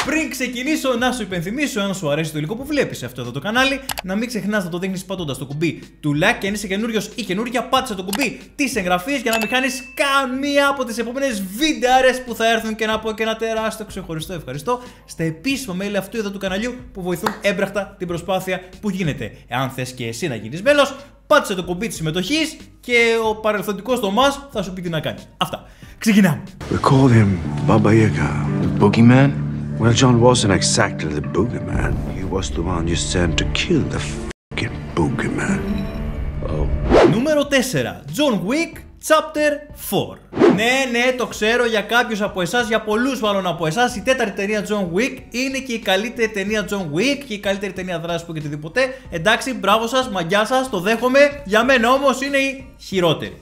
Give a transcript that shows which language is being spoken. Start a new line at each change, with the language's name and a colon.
Greek: Ξεκινήσω να σου υπενθυμίσω, αν σου αρέσει το υλικό που βλέπεις αυτό εδώ το κανάλι, να μην ξεχνάς να το δείχνεις πατώντας το κουμπί του like, και αν είσαι καινούριος ή καινούρια, πάτησε το κουμπί της εγγραφής για να μην χάνεις καμία από τις επόμενες βιντεάρες που θα έρθουν και να πω και ένα τεράστιο ξεχωριστό ευχαριστώ στα επίσημα μέλη αυτού εδώ του καναλιού που βοηθούν έμπραχτα την προσπάθεια που γίνεται. Εάν θες και εσύ να γίνεις μέλος, πάτησε το κουμπί της συμμετοχής και ο παρελθοντικός Τομάς θα σου πει τι να κάνει. Αυτά. Ξεκινάμε.
English: We call him Baba Yaga, the boogeyman. Well, John wasn't exactly the boogeyman. He was the one you sent to kill the f***ing boogeyman.
Greek: Oh. Νούμερο 4. John Wick, Chapter 4. Ναι, ναι, το ξέρω για κάποιους από εσάς, για πολλούς μάλλον από εσάς, η τέταρτη ταινία John Wick είναι και η καλύτερη ταινία John Wick και η καλύτερη ταινία δράση που έχετε δει ποτέ. Εντάξει, μπράβο σας, μαγιά σας, το δέχομαι. Για μένα όμως είναι η χειρότερη.